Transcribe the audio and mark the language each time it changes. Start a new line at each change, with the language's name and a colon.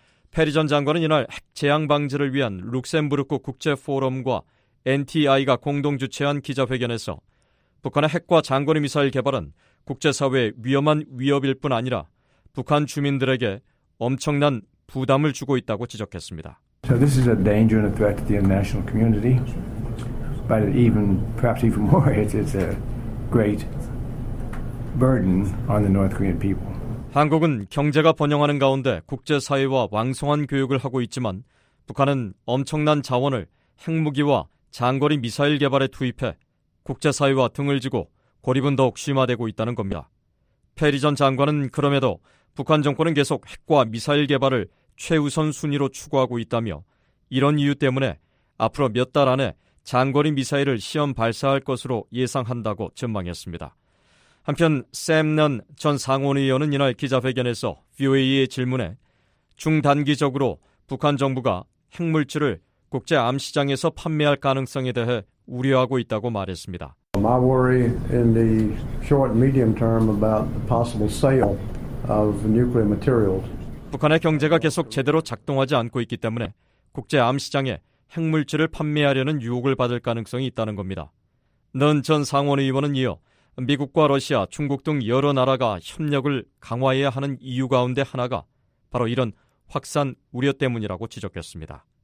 Korean: 페리 전 장관은 이날 핵 재앙 방지를 위한 룩셈부르크 국제 포럼과 NTI가 공동 주최한 기자회견에서 북한의 핵과 장거리 미사일 개발은 국제사회의 위험한 위협일 뿐 아니라 북한 주민들에게 엄청난 부담을 주고 있다고 지적했습니다.
English: So this is a danger and a threat to the international community. But even perhaps even more, it's a great burden on the North Korean people.
Korean: 한국은 경제가 번영하는 가운데 국제사회와 왕성한 교육을 하고 있지만 북한은 엄청난 자원을 핵무기와 장거리 미사일 개발에 투입해 국제사회와 등을 지고 고립은 더욱 심화되고 있다는 겁니다. 페리 전 장관은 그럼에도 북한 정권은 계속 핵과 미사일 개발을 최우선 순위로 추구하고 있다며 이런 이유 때문에 앞으로 몇 달 안에 장거리 미사일을 시험 발사할 것으로 예상한다고 전망했습니다. 한편 샘 넌 전 상원의원은 이날 기자회견에서 VOA의 질문에 중단기적으로 북한 정부가 핵물질을 국제 암시장에서 판매할 가능성에 대해 우려하고 있다고 말했습니다.
English: My worry in the short medium term about the possible sale of nuclear materials.
Korean: 북한의 경제가 계속 제대로 작동하지 않고 있기 때문에 국제 암시장에 핵물질을 판매하려는 유혹을 받을 가능성이 있다는 겁니다. 넌 전 상원의원은 이어 미국과 러시아, 중국 등 여러 나라가 협력을 강화해야 하는 이유 가운데 하나가 바로 이런 확산 우려 때문이라고 지적했습니다.